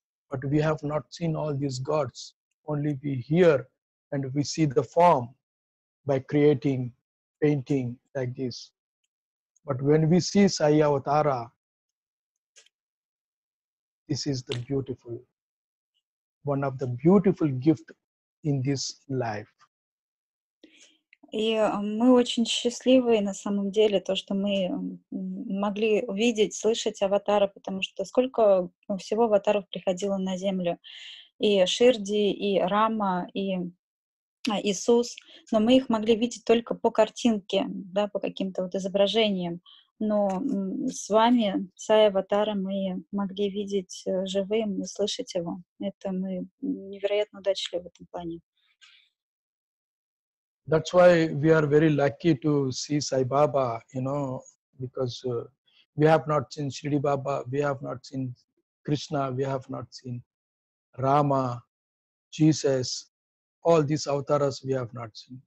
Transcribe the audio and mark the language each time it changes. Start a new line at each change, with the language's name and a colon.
English: But we have not seen all these gods. Only we hear and we see the form by creating, painting like this. But when we see Sai avatara, this is the beautiful, one of the beautiful gift in this life.
Russian: И мы очень счастливы, на самом деле, то, что мы могли увидеть, слышать аватара, потому что сколько всего аватаров приходило на Землю. И Ширди, и Рама, и Иисус. Но мы их могли видеть только по картинке, да, по каким-то вот изображениям. Но с вами, Саи аватара, мы могли видеть живым и слышать его. Это мы невероятно удачливы в этом плане.
English: That's why we are very lucky to see Sai Baba, you know, because we have not seen Shirdi Baba, we have not seen Krishna, we have not seen Rama, Jesus, all these avatars we have not seen.